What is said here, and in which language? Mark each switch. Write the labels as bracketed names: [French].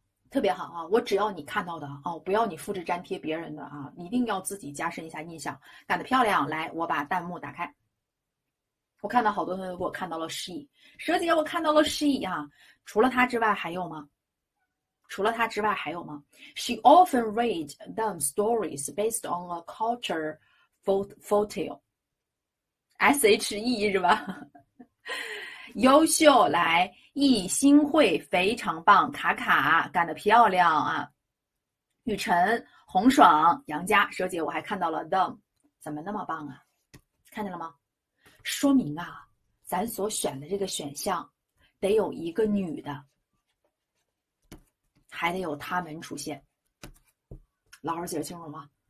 [Chinese] 特别好啊！我只要你看到的哦，不要你复制粘贴别人的啊，一定要自己加深一下印象，干得漂亮！来，我把弹幕打开，我看到好多同学给我看到了 she，蛇姐我看到了 she 啊，除了她之外还有吗？除了她之外还有吗？ [English] She often read them stories based on a culture folktale. [Chinese] SHE 是吧？优秀，来。易星会非常棒，卡卡干得漂亮啊！雨辰、洪爽、杨佳、蛇姐，我还看到了 them，怎么那么棒啊？看见了吗？说明啊，咱所选的这个选项得有一个女的，还得有他们出现。老师解释清楚吗？